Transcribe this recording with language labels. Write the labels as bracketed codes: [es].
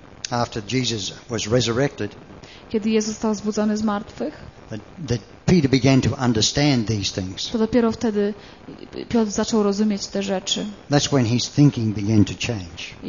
[en] after Jesus was resurrected, [pl] kiedy Jezus został zbudzony z martwych, [en] that Peter began to understand these things. [pl] To dopiero wtedy Piotr zaczął rozumieć te rzeczy. [en] That's when his thinking began to change.